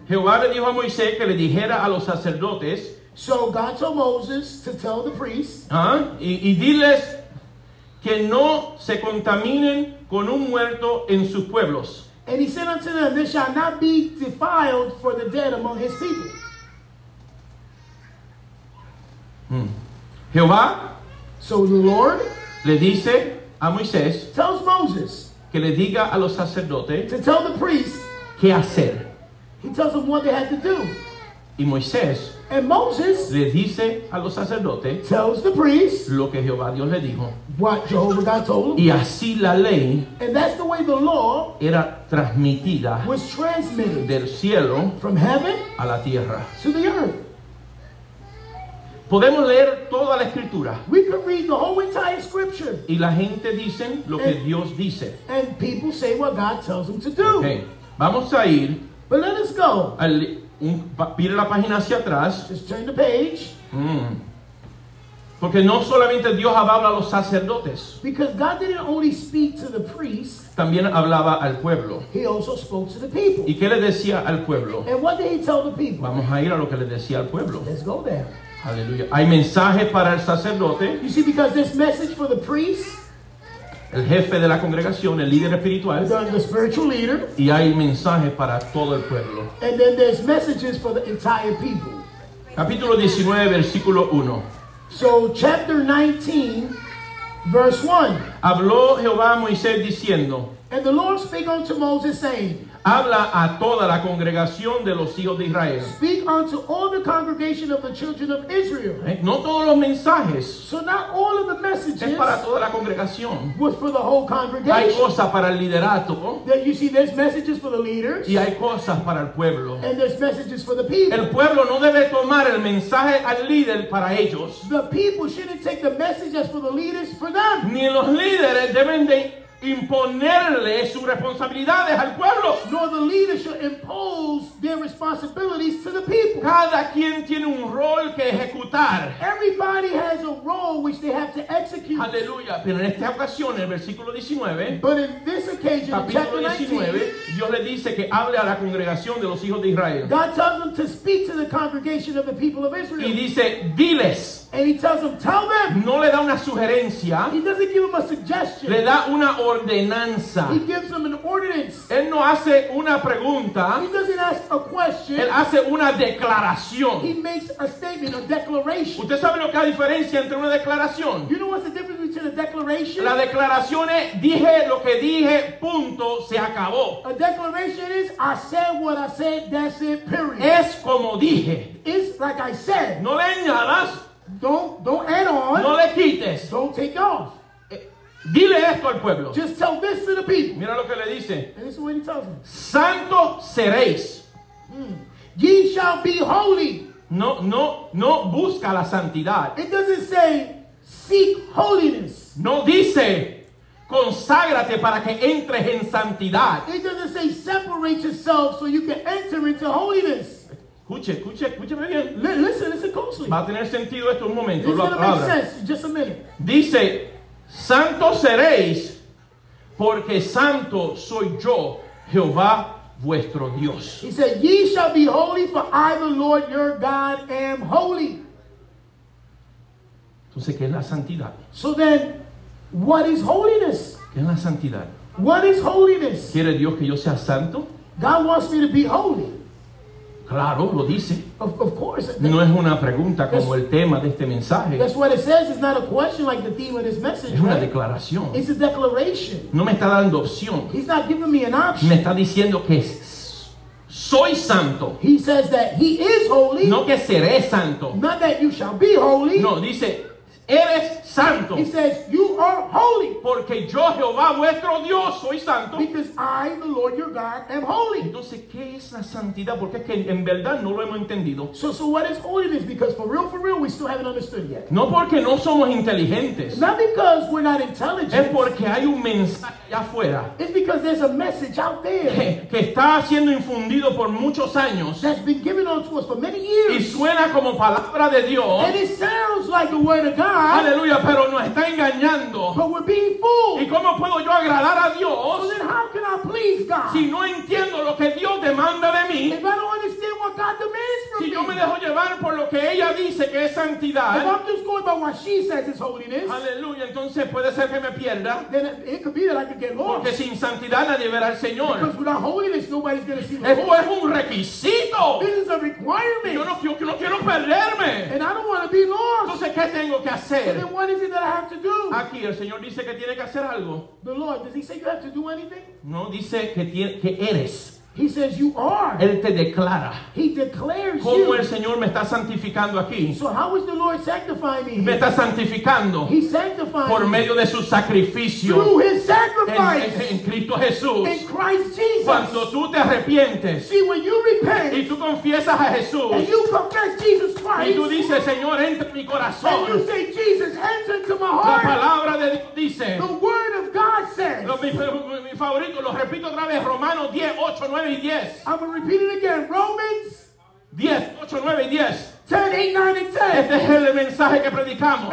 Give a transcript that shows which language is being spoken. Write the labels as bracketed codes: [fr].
[es] Jehová le dijo a Moisés que le dijera a los sacerdotes. [en] So God told Moses to tell the priests. [es] Y diles que no se contaminen con un muerto en sus pueblos. [en] And he said unto them, they shall not be defiled for the dead among his people. [es] Jehová. [en] So the Lord. [es] Le dice a Moisés. [en] Tells Moses. [es] Que le diga a los sacerdotes. [en] To tell the priests. [es] Qué hacer. [en] He tells them what they had to do. [es] Y Moisés. [en] And Moses. [es] Le dice a los sacerdotes. [en] Tells the priests. [es] Lo que Jehová Dios le dijo. [en] What Jehovah God told him. [es] Y así la ley. [en] And that's the way the law. [es] Era transmitida. [en] Was transmitted. [es] Del cielo. [en] From heaven. [es] A la tierra. [en] To the earth. [es] Podemos leer toda la escritura. [en] We can read the whole entire scripture. [es] Y la gente dicen lo que Dios dice. [en] And people say what God tells them to do. [es] Okay. Vamos a ir. [en] But let us go. [es] Mire la página hacia atrás. [en] Just turn the page. [es] Porque no solamente Dios hablaba a los sacerdotes. [en] Because God didn't only speak to the priests. [es] También hablaba al pueblo. [en] He also spoke to the people. [es] ¿Y qué le decía al pueblo? [en] And what did he tell the people? [es] Vamos a ir a lo que le decía al pueblo. [en] Let's go there. [es] Aleluya. Hay mensaje para el sacerdote. [en] You see, because this message for the priest. [es] El jefe de la congregación, el líder espiritual. [en] The spiritual leader. [es] Y hay mensaje para todo el pueblo. [en] And then there's messages for the entire people. [es] Capítulo 19, versículo 1. [en] So, chapter 19, verse 1. [es] Habló Jehová a Moisés diciendo. [en] And the Lord spake unto Moses, saying. [es] Habla a toda la congregación de los hijos de Israel. [en] Speak unto all the congregation of the children of Israel. [es] No todos los mensajes. [en] So not all of the messages. [es] Es para toda la congregación. [en] Was for the whole congregation. [es] Hay cosas para el liderato. [en] That you see, there's messages for the leaders. [es] Y hay cosas para el pueblo. [en] And there's messages for the people. [es] El pueblo no debe tomar el mensaje al líder para ellos. [en] The people shouldn't take the messages for the leaders for them. [es] Ni los líderes deben de imponerle sus responsabilidades al pueblo. [en] Nor the leaders should impose their responsibilities to the people. [es] Cada quien tiene un rol que ejecutar. [en] Everybody has a role which they have to execute. [es] Aleluya. Pero en esta ocasión, en el versículo 19, [en] but in this occasion, [es] capítulo 19, [en] 19, [es] Dios le dice que hable a la congregación de los hijos de Israel. [en] God tells them to speak to the congregation of the people of Israel. [es] Y dice, diles. [en] And he tells them, tell them. [es] No le da una sugerencia. [en] He doesn't give them a suggestion. [es] Le da una ordenanza. [en] He gives them an ordinance. [es] Él no hace una pregunta. [en] He doesn't ask a question. [es] Él hace una declaración. [en] He makes a statement, a declaration. [es] ¿Usted sabe lo que es la diferencia entre una declaración? [en] You know what's the difference between a declaration? [es] La declaración es, dije lo que dije, punto, se acabó. [en] A declaration is, I said what I said, that's it, period. [es] Es como dije. [en] It's like I said. [es] No le añadas. [en] Don't add on. [es] No le quites. [en] Don't take off. [es] Dile esto al pueblo. [en] Just tell this to the people. [es] Mira lo que le dice. [en] And this is what he tells them. [es] Santo seréis. [en] Ye shall be holy. [es] No, no, no busca la santidad. [en] It doesn't say seek holiness. [es] No dice conságrate para que entres en santidad. [en] It doesn't say separate yourself so you can enter into holiness. [es] Escuche, escuche, escúcheme bien. [en] Listen closely. [es] Va a tener sentido esto un momento. [en] It's going to make sense in just a minute. [es] Dice, santo seréis porque santo soy yo, Jehová vuestro Dios. [en] He said, ye shall be holy for I the Lord your God am holy. [es] Entonces, ¿qué es la santidad? [en] So then, what is holiness? [es] ¿Qué es la santidad? [en] What is holiness? [es] ¿Quiere Dios que yo sea santo? [en] God wants me to be holy. [es] Claro, lo dice. [en] Of course. [es] No es una pregunta como el tema de este mensaje. [en] That's what it says. It's not a question like the theme of this message. [es] Es una [en] right? [es] declaración. [en] It's a declaration. [es] No me está dando opción. [en] He's not giving me an option. [es] Me está diciendo que soy santo. [en] He says that he is holy. [es] No que seré santo. [en] Not that you shall be holy. [es] No, dice, eres santo. [en] He says, you are holy. [es] Porque yo, Jehová, vuestro Dios, soy santo. [en] Because I, the Lord your God, am holy. [es] Entonces, ¿qué es la santidad? Porque es que en verdad no lo hemos entendido. [en] So what is holiness? Because for real, we still haven't understood yet. [es] No porque no somos inteligentes. [en] Not because we're not intelligent. [es] Es porque hay un mensaje afuera. [en] It's because there's a message out there. [es] Que está siendo infundido por muchos años. [en] That's been given unto us for many years. [es] Y suena como palabra de Dios. [en] And it sounds like the word of God. [es] Aleluya, pero nos está engañando. [en] But we're being fooled. [es] ¿Y cómo puedo yo agradar a Dios? [en] So then how can I please God? [es] Si no entiendo lo que Dios demanda de mí. [en] If I don't understand what God demands from [es] si [en] me. [es] Yo me dejo llevar por lo que ella dice que es santidad. [en] If I'm just going by what she says is holiness. [es] Aleluya, entonces puede ser que me pierda. [en] Then it could be that I could get lost. [es] Porque sin santidad nadie verá al Señor. [en] Because without holiness nobody's going to see the Lord. [es] Es un requisito. [en] This is a requirement. [es] Yo no quiero perderme. [en] And I don't want to be lost. [es] Entonces, ¿qué tengo que hacer? [en] So then what is it that I have to do? [es] Aquí el Señor dice que tiene que hacer algo. [en] The Lord, does he say you have to do anything? [es] No, dice que que eres. [en] He says you are. [es] Él te declara. [en] He declares [es] ¿cómo [en] you. [es] ¿Cómo el Señor me está santificando aquí? [en] So how is the Lord sanctifying me? [es] Me está santificando. [en] He sanctifying [es] por medio de su sacrificio. [en] Through his sacrifice. [es] En Cristo Jesús. [en] In Christ Jesus. [es] Cuando tú te arrepientes. [en] See, when you repent. [es] Y tú confiesas a Jesús. [en] And you confess Jesus Christ. [es] Y tú dices, Señor, entra en mi corazón. [en] And you say, Jesus, enter into my heart. [es] La palabra de Dios dice. [en] The word of God says. [es] Mi favorito, lo repito otra vez, Romanos 10, 8, 9. [en] I'm going to repeat it again. Romans [es] 10, 8, 9, 10. [en] 10, 8, 9, and 10. [es] Este es el mensaje que predicamos.